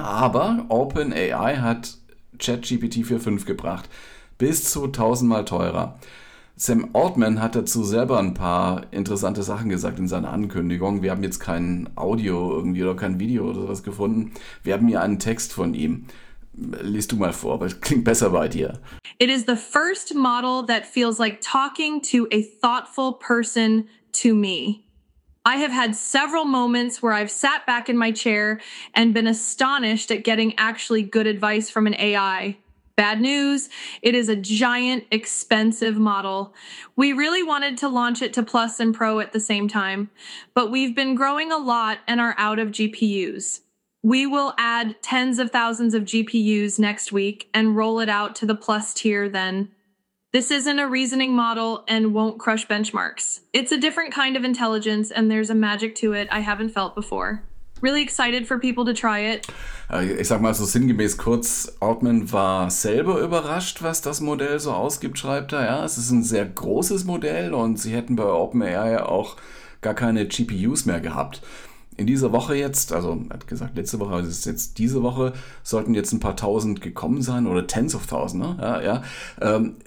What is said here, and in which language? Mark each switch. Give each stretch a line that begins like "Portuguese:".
German: Aber OpenAI hat ChatGPT 4.5 gebracht. Bis zu 1000-mal teurer. Sam Altman hat dazu selber ein paar interessante Sachen gesagt in seiner Ankündigung. Wir haben jetzt kein Audio irgendwie oder kein Video oder sowas gefunden. Wir haben hier einen Text von ihm. Lies du mal vor, weil es klingt besser bei dir.
English: It is the first model that feels like talking to a thoughtful person to me. I have had several moments where I've sat back in my chair and been astonished at getting actually good advice from an AI. Bad news, it is a giant, expensive model. We really wanted to launch it to Plus and Pro at the same time, but we've been growing a lot and are out of GPUs. We will add tens of thousands of GPUs next week and roll it out to the Plus tier then. This isn't a reasoning model and won't crush benchmarks. It's a different kind of intelligence and there's a magic to it I haven't felt before. Really excited for people to try it.
German: Ich sag mal so sinngemäß kurz, Altman war selber überrascht, was das Modell so ausgibt, schreibt er. Ja, es ist ein sehr großes Modell und sie hätten bei OpenAI auch gar keine GPUs mehr gehabt. In dieser Woche jetzt, also er hat gesagt letzte Woche, also es ist jetzt diese Woche, sollten jetzt ein paar tausend gekommen sein oder
English: tens of thousands,
German: ne? Ja.